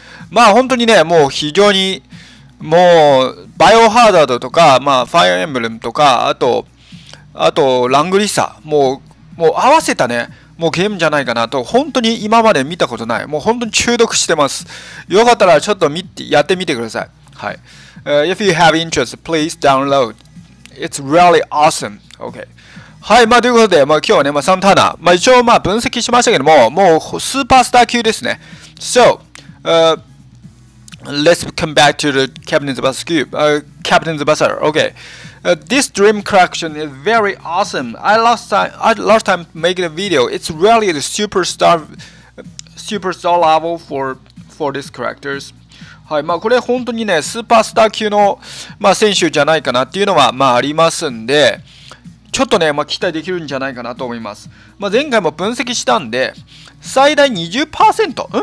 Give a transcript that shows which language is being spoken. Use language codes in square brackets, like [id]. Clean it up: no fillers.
[ja] まあ本当にね、もう非常にもうバイオハザードとか、まあ、ファイアエンブレムとか、あとラングリッサ、もう合わせたね、もうゲームじゃないかなと、本当に今まで見たことない、もう本当に中毒してます。よかったらちょっとやってみてください。 [en] はい。If you have interest, please download. It's really awesome. Okay. はい。 [ja] まあ、ということで、まあ、今日はね、まあ、サンターナ、まあ、一応、まあ、分析しましたけども、もうスーパースター級ですね。 [en] So, Let's come back to the Captain's Buzzer Cube. Captain's Buzzer, okay. This dream collection is very awesome. I last time made a video. It's really the superstar level for these characters. [ja] はい、まあこれ本当にね、スーパースター級の、まあ、選手じゃないかなっていうのは、まあ、ありますんで、ちょっとね、まあ、期待できるんじゃないかなと思います。まあ、前回も分析したんで、最大 20%?